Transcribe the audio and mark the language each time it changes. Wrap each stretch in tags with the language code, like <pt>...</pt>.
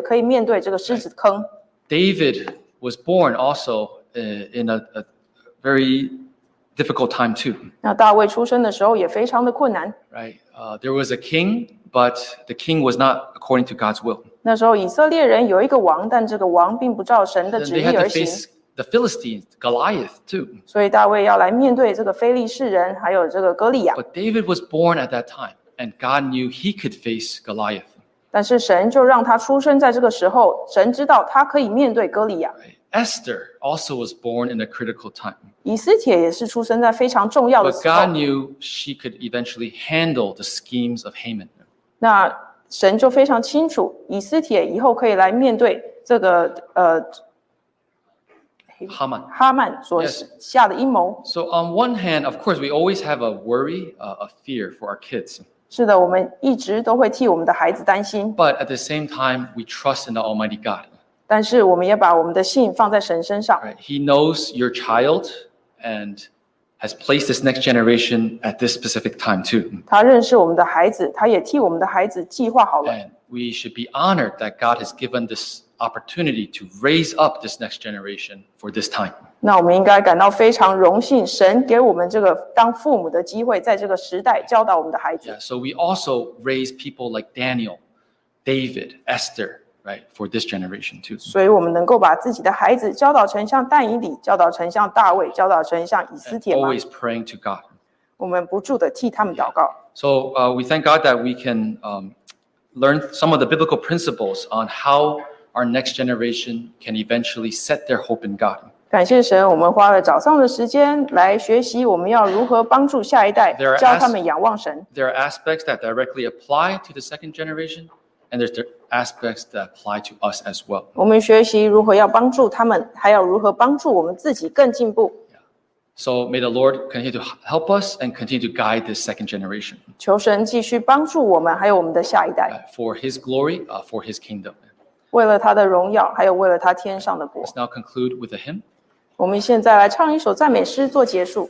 <zh>但以理能够立定志向，仰望神，也可以面对这个狮子坑。</zh> <en>David was born also in a very difficult time too.</en> <zh>那大卫出生的时候也非常的困难。</zh> <en>Right, there was a king, but the king was not according to God's will.</en> <zh>那时候以色列人有一个王，但这个王并不照神的旨意而行。</zh> <en>And they had to face the Philistines, Goliath too.</en> <zh>所以大卫要来面对这个非利士人，还有这个哥利亚。</zh> <en>But David was born at that time. And God knew he could face Goliath.</en> <zh>但是神就让他出生在这个时候，神知道他可以面对哥利亚。Esther</zh> <en>also was born in a critical time.</en> <zh>以斯帖也是出生在非常重要的时候。</zh> <en>But God knew she could eventually handle the schemes of Haman.</en> <zh>那神就非常清楚，以斯帖以后可以来面对这个哈曼所下的阴谋。</zh> <en>So on one hand, of course, we always have a worry, a fear for our kids.</en> <zh>是的，我们一直都会替我们的孩子担心。</zh> <en>But at the same time, we trust in the Almighty God.</en> <zh>但是我们也把我们的信放在神身上。</zh> <en>Right. He knows your child and has placed this next generation at this specific time too.</en> <zh>他认识我们的孩子，他也替我们的孩子计划好了。</zh> <en>And we should be honored that God has given this opportunity to raise up this next generation for this time.</en> <zh>那我们应该感到非常荣幸，神给我们这个当父母的机会，在这个时代教导我们的孩子。</zh> <en>Yeah, so we also raise people like Daniel, David, Esther, right, for this generation too.</en> <zh>所以我们能够把自己的孩子教导成像但以理，教导成像大卫，教导成像以斯帖。</zh> <en>Always praying to God.</en> <zh>我们不住的替他们祷告。</zh> <en>So, we thank God that we can, learn some of the biblical principles on how our next generation can eventually set their hope in God.</en> <zh>感谢神，我们花了早上的时间来学习我们要如何帮助下一代，教他们仰望神。</zh> <en>There are aspects that directly apply to the second generation, and there's aspects that apply to us as well.</en> <zh>我们学习如何要帮助他们，还要如何帮助我们自己更进步。</zh> <en>So may the Lord continue to help us and continue to guide this second generation.</en> <zh>求神继续帮助我们，还有我们的下一代。</zh> <en>For His glory, for His kingdom.</en> <zh>为了他的荣耀，还有为了他天上的国。</zh> <en>Let's now conclude with a hymn.</en> <zh>我们现在来唱一首赞美诗做结束。</zh>